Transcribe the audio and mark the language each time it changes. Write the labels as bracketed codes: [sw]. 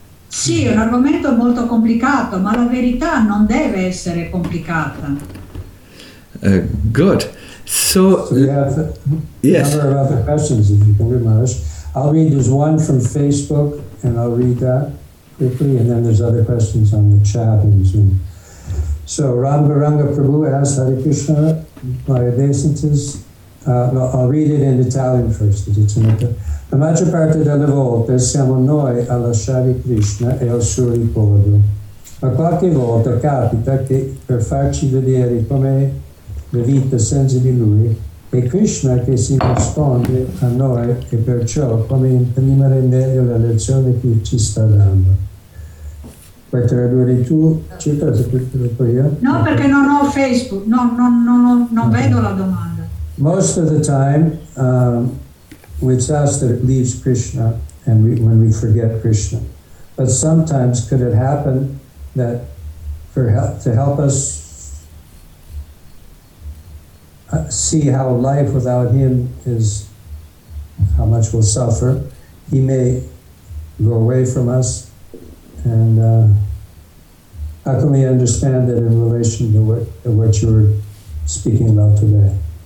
[it] Sì, è un argomento molto complicato, ma la verità non deve essere complicata. [en] Good. So yes. Number of other questions, if you can remember. I'll read, there's one from Facebook, and I'll read that quickly, and then there's other questions on the chat and Zoom. So Rangaranga Prabhu asks Hare Krishna, my obeisances. I'll read it in Italian first. It's in the [it] maggior parte delle volte siamo noi a lasciare Krishna e al suo riposo. Ma qualche volta capita che per farci vedere com'è la vita senza di lui, è Krishna che si risponde a noi, e perciò come imprimere meglio la lezione che ci sta dando. Puoi tradurre tu? Ci puoi tradurre poi io? No, perché non ho Facebook, non vedo la domanda. [en] Most of the time, it's us that it leaves Krishna, and when we forget Krishna. But sometimes, could it happen that for help, to help us see how life without him is, how much we'll suffer, he may go away from us, and how can we understand that in relation to what you were speaking about today?